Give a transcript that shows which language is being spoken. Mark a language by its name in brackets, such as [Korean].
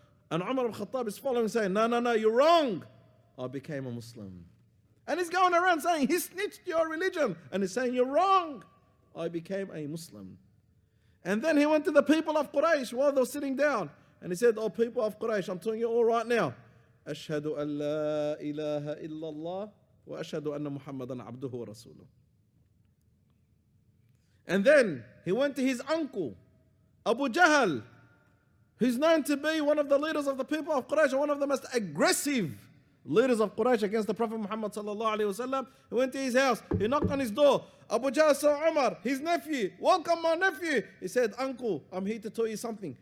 [English] And Umar al-Khattab is following, saying, no, you're wrong. I became a Muslim. And he's going around saying, he snitched your religion. And he's saying, you're wrong. I became a Muslim. And then he went to the people of Quraysh while they were sitting down. And he said, oh, people of Quraysh, I'm telling you all right now. [Arabic] أشهد أن لا إله إلا الله وأشهد أن محمدا عبده ورسوله. [English] And then he went to his uncle, Abu Jahl, who's known to be one of the leaders of the people of Quraysh, one of the most aggressive leaders of Quraysh against the Prophet Muhammad sallallahu alaihi wasallam. He went to his house. He knocked on his door. Abu Jahl saw Umar, his nephew. Welcome, my nephew. He said, "Uncle, I'm here to tell you something.